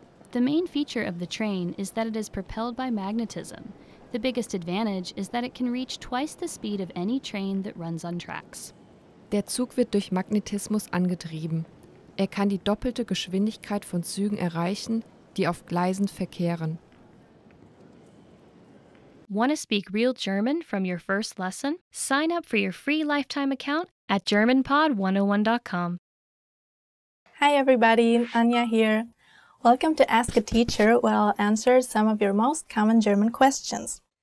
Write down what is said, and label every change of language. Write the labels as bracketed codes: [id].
[en] The main feature of the train is that it is propelled by magnetism. The biggest advantage is that it can reach twice the speed of any train that runs on tracks. [de] Der Zug wird durch Magnetismus angetrieben. Er kann die doppelte Geschwindigkeit von Zügen erreichen, die auf Gleisen verkehren. [en] Want to speak real German from your first lesson? Sign up for your free lifetime account at germanpod101.com. Hi everybody, Anja here. Welcome to Ask a Teacher, where I'll answer some of your most common German questions.